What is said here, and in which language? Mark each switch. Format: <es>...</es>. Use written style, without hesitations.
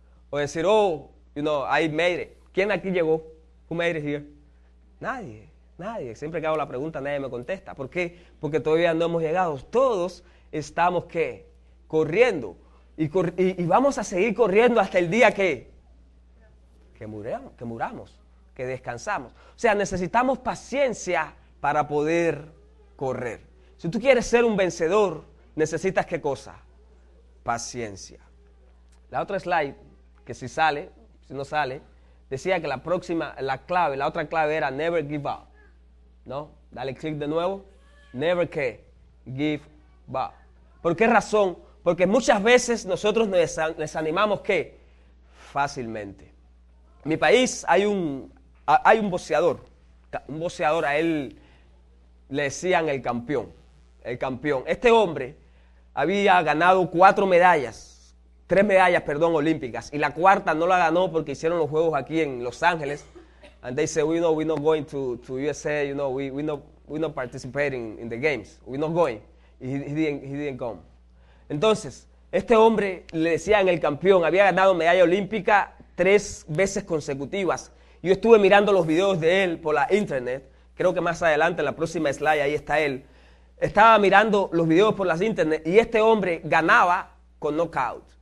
<es>O decir,</es> <en>oh, you know, I made it.</en> <es>¿Quién aquí llegó?</es> <en>Who made it here?</en> <es>Nadie. Nadie, siempre que hago la pregunta nadie me contesta. ¿Por qué? Porque todavía no hemos llegado. Todos estamos, ¿qué? Corriendo. Y vamos a seguir corriendo hasta el día que muramos, que descansamos. O sea, necesitamos paciencia para poder correr. Si tú quieres ser un vencedor, ¿necesitas qué cosa? Paciencia. La otra slide, que si sale, si no sale, decía que la próxima, la clave, la otra clave era never give up. ¿No? Dale clic de nuevo. Never que. Give up. ¿Por qué razón? Porque muchas veces nosotros nos desanimamos ¿qué? Fácilmente. En mi país hay un boxeador. Un boxeador, a él le decían el campeón. El campeón. Este hombre había ganado 4 medallas. 3 medallas, perdón, olímpicas. Y la cuarta no la ganó porque hicieron los juegos aquí en Los Ángeles.</es> <en>And they say, we know we're not going to USA, you know, we're not participating in the games. We're not going. He didn't come.</en> <es>Entonces, este hombre, le decían el campeón, había ganado medalla olímpica 3 veces consecutivas. Yo estuve mirando los videos de él por la internet. Creo que más adelante, en la próxima slide, ahí está él. Estaba mirando los videos por las internet y este hombre ganaba con knockout.</es>